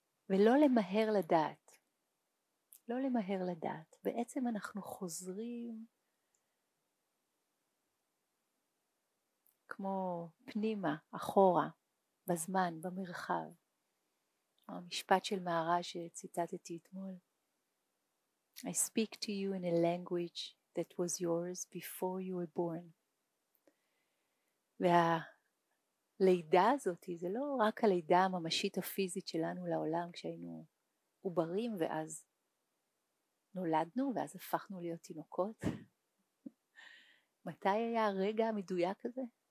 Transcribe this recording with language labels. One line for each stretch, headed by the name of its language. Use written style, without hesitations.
Hebrew: ולא למהר לדעת, לא למהר לדעת, בעצם אנחנו חוזרים כמו פנימה, אחורה, בזמן, במרחב. המשפט של מהרה שציטטתי אתמול,
English: I speak to you in a language that was yours before you were born.
Hebrew: והלידה הזאת, זה לא רק הלידה הממשית הפיזית שלנו לעולם, כשהיינו עוברים ואז נולדנו, ואז הפכנו להיות תינוקות. מתי היה הרגע המדויק הזה?